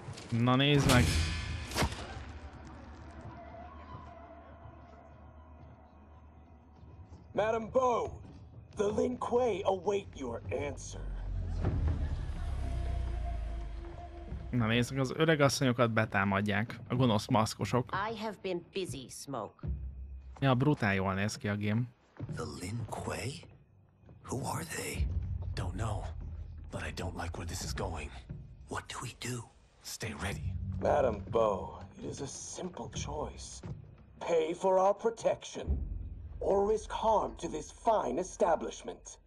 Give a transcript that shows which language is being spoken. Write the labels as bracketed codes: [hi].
[hu] Na nézd meg! [en] Madam Bo, the Lin Kuei await your answer. [hu] Na nézzük, az öreg asszonyokat betámadják, a gonosz maszkosok. [en] I have been busy, Smoke. [hu] Ja, brutál jól néz ki a game. [en] The Lin Kuei? Who are they? Don't know, but I don't like where this is going. What do we do? Stay ready. Madam Bo, it is a simple choice. Pay for our protection, or risk harm to this fine establishment.